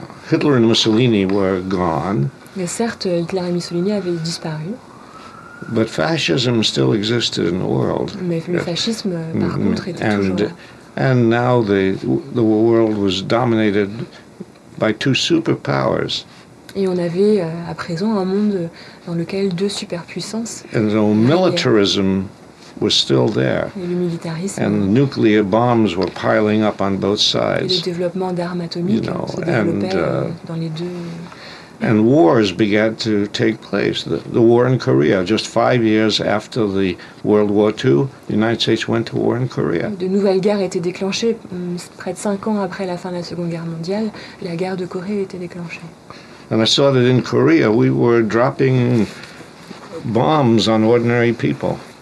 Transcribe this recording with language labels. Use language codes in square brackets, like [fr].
[en] Hitler and Mussolini were gone. [fr] Mais certes, Hitler et Mussolini avaient disparu. [en] But fascism still existed in the world. [fr] Mais le fascisme, par contre, était toujours là. [en] And now the world was dominated by two superpowers. [fr] Et on avait à présent un monde dans lequel deux superpuissances. [en] And the militarism was still there. [fr] Et le militarisme. [en] And nuclear bombs were piling up on both sides. [fr] Et le développement d'armes atomiques se développait dans les deux. [en] And wars began to take place. The war in Korea, just 5 years after the World War II, the United States went to war in Korea. [fr] De nouvelles guerres étaient déclenchées près de 5 ans après la fin de la Seconde Guerre mondiale. La guerre de Corée était déclenchée. [en] And I saw that in Korea, we were dropping bombs on ordinary people.